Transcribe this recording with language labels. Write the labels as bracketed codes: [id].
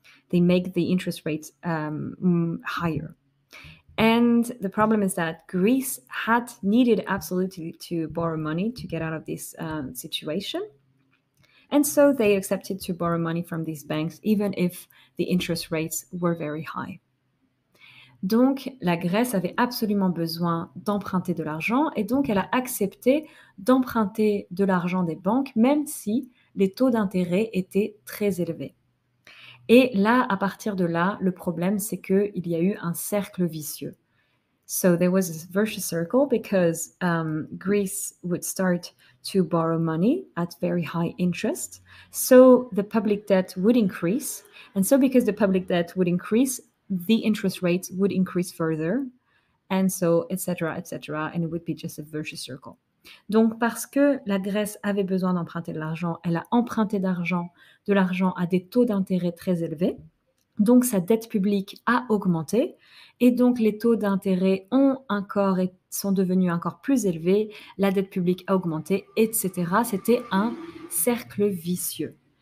[en] They make the interest rate higher. And the problem is that Greece had needed absolutely to borrow money to get out of this situation. And so they accepted to borrow money from these banks, even if the interest rates were very high. [fr] Donc, la Grèce avait absolument besoin d'emprunter de l'argent et donc elle a accepté d'emprunter de l'argent des banques, même si les taux d'intérêt étaient très élevés. Et là, à partir de là, le problème, c'est qu'il y a eu un cercle vicieux. [en] So, there was a vicious circle because Greece would start to borrow money at very high interest. So, the public debt would increase. And so, because the public debt would increase, the interest rates would increase further, and so, et cetera, et cetera, and it would be just a vicious circle. [fr] Donc, parce que la Grèce avait besoin d'emprunter de l'argent, elle a emprunté de l'argent à des taux d'intérêt très élevés. Donc, sa dette publique a augmenté. Et donc, les taux d'intérêt sont devenus encore plus élevés. La dette publique a augmenté, etc. C'était un cercle vicieux.